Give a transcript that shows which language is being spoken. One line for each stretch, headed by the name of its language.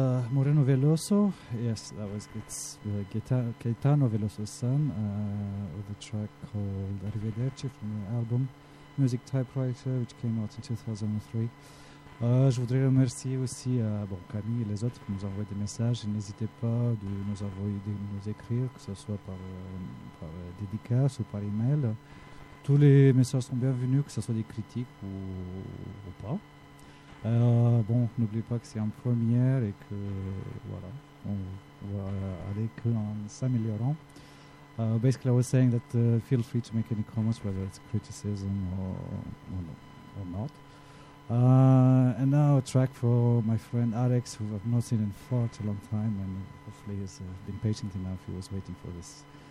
English: Moreno Veloso, yes, that was Caetano Veloso's son, with a track called Arrivederci from the album Music Typewriter, which came out in 2003.
French: Je voudrais remercier aussi bon, Camille et les autres qui nous envoient des messages. N'hésitez pas de nous envoyer, de nous écrire, que ce soit par dédicace ou par email. Tous les messages sont bienvenus, que ce soit des critiques ou pas. Bon, n'oubliez pas que c'est en première et que voilà, on va aller qu'en s'améliorant.
English: Basically, I was saying that feel free to make any comments, whether it's criticism or not. And now a track for my friend Alex, who I've not seen in far too long time, and hopefully has been patient enough. He was waiting for this.